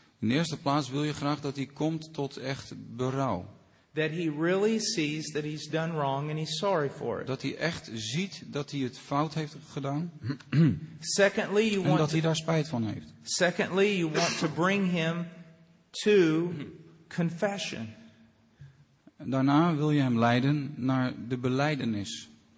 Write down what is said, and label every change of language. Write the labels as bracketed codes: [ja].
[nl] In de eerste plaats wil je graag dat hij komt tot echt berouw. [en] That he really sees that he's done wrong and he's sorry for it. [nl] Dat hij echt ziet dat hij het fout heeft gedaan. [en] Secondly, you want [nl] en dat hij daar spijt van heeft. [en] Secondly, you want to bring him to confession. [nl] Daarna wil je hem leiden naar de belijdenis.